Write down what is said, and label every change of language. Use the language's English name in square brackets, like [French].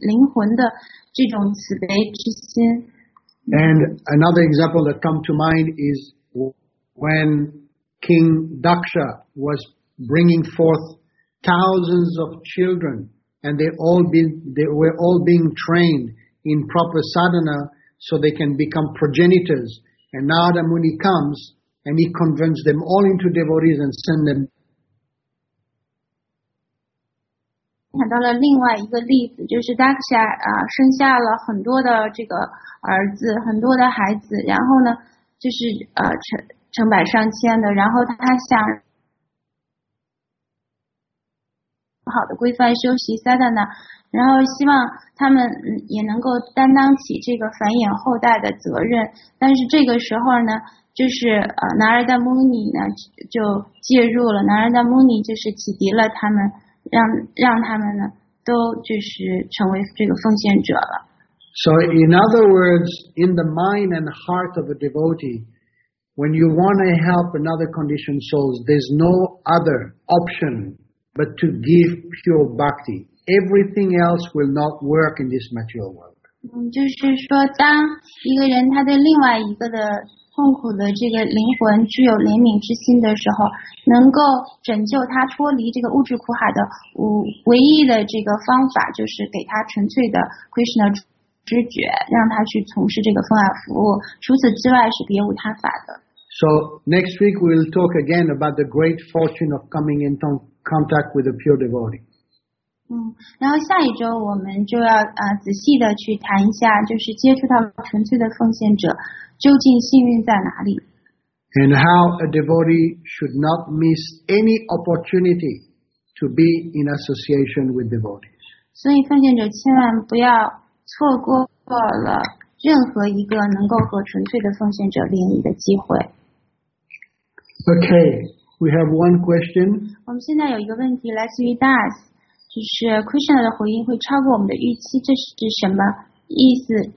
[Chinese] 在很多这个奉献者身上，我们都可以看到，这是对于其他的在痛苦中煎熬的受条件限制灵魂的这种慈悲之心。 [English] And another example that comes to mind is when King Daksha was bringing forth thousands of children, and they were all being trained in proper sadhana so they can become progenitors. And Narada Muni comes and he converts them all into devotees and send them. [Chinese] 看到了另外一个例子，就是 Daksha 啊，生下了很多的这个儿子，很多的孩子，然后呢，就是成百上千的，然后他想好的规范修习 Sadhana， 然后希望他们也能够担当起这个繁衍后代的责任。但是这个时候呢，就是Narada Muni 呢就介入了 ，Narada Muni 就是启迪了他们。让他们呢都就是成为这个奉献者了。 [English] So in other words, in the mind and heart of a devotee, when you want to help another conditioned souls, there's no other option but to give pure bhakti. Everything else will not work in this material world. [Chinese] 就是说当一个人他对另外一个的痛苦的这个灵魂具有怜悯之心的时候，能够拯救他脱离这个物质苦海的唯一的这个方法，就是给他纯粹的 Krishna 知觉，让他去从事这个奉爱服务。除此之外，是别无他法的。 [English] So next week we'll talk again about the great fortune of coming into contact with a pure devotee. [Chinese] 然后下一周我们就要仔细的去谈一下，就是接触到纯粹的奉献者。究竟幸运在哪里？ [English] And how a devotee should not miss any opportunity to be in association with devotees. [Chinese] 所以奉献者千万不要错过了任何一个能够和纯粹的奉献者联谊的机会。 [English] Okay, we have one question. [Chinese] 我们现在有一个问题来自于 Das， 就是 Krishna 的回应会超过我们的预期，这是什么意思？